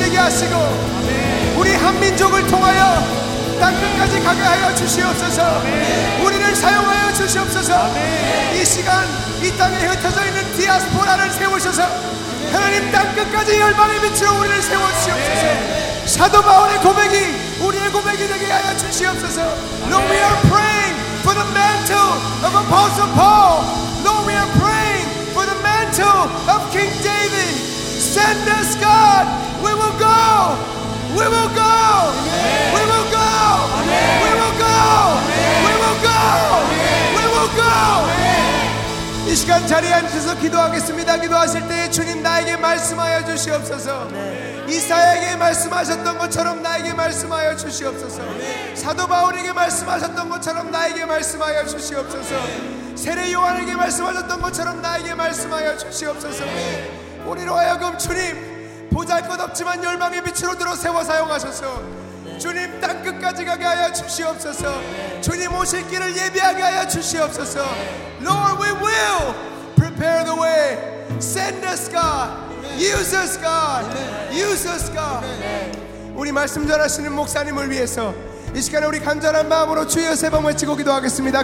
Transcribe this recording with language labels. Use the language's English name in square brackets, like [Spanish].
[Korean] 하시고 우리 한민족을 통하여 땅끝까지 가게 하여 주시옵소서. 우리를 사용하여 주시옵소서. 이 시간 이 땅에 흩어져 있는 디아스포라를 세우셔서 하나님 땅끝까지 열방의 빛으로 우리를 세워주시옵소서. 사도 바울의 고백이 우리의 고백이 되게 하여 주시옵소서. [English] Lord, we are praying for the mantle of Apostle Paul. Lord, we are praying for the mantle of King David. Send us, God. We will go. We will go. We will go. We will go. We will go. We will go. [Korean] 이 시간 자리에 앉혀서 기도하겠습니다. 기도하실 때 주님 나에게 말씀하여 주시옵소서. 이사야에게 말씀하셨던 것처럼 나에게 말씀하여 주시옵소서. 사도 바울에게 말씀하셨던 것처럼 나에게 말씀하여 주시옵소서. 세례 요한에게 말씀하셨던 것처럼 나에게 말씀하여 주시옵소서. 우리로 하여금 주님 보잘것없지만 열망의 빛으로 들어 세워 사용하셔서 주님 땅끝까지 가게 하여 주시옵소서. 주님 오실 길을 예비하게 하여 주시옵소서. [English] Lord, we will prepare the way. Send us, God. Use us, God. Use us, God. [Korean] 우리 말씀 전하시는 목사님을 위해서 이 시간에 우리 간절한 마음으로 주여 세 번 외치고 기도하겠습니다.